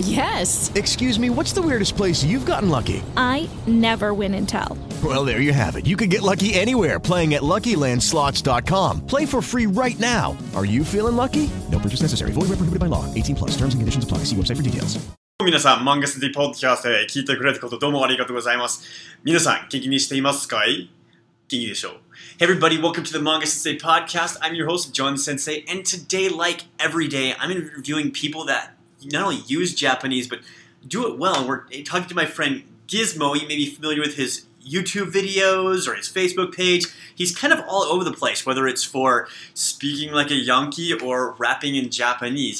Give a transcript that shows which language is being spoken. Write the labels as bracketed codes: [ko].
[en] Yes. Excuse me, what's the weirdest place you've gotten lucky? I never win and tell. Well, there you have it. You can get lucky anywhere, playing at LuckyLandSlots.com. Play for free right now. Are you feeling lucky? No purchase necessary. Void where prohibited by law. 18 plus. Terms and conditions apply. See website for details. [ja] 皆さん、マンガスティポッドキャストで聞いてくれたことどうもありがとうございます。皆さん、聞きにしていますかい？いいでしょう。 [en] Hey everybody, welcome to the Manga Sensei Podcast. I'm your host, John Sensei, and today, like every day, I'm interviewing people that not only use Japanese, but do it well. We're talking to my friend Gizmo. You may be familiar with his YouTube videos or his Facebook page. He's kind of all over the place, whether it's for speaking like a Yankee or rapping in Japanese.